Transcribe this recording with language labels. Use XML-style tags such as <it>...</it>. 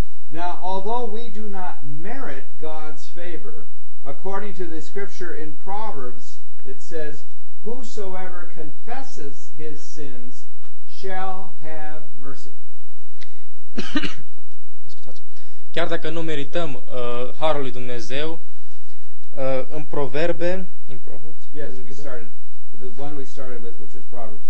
<en>Now, although we do not merit God's favor, according to the scripture in Proverbs, it says, "Whosoever confesses his sins shall have mercy."</en> <ro>Chiar dacă nu merităm harul lui Dumnezeu, în Proverbe,</ro> <en>in Proverbs, yes, we started the one we started with, which was Proverbs</en>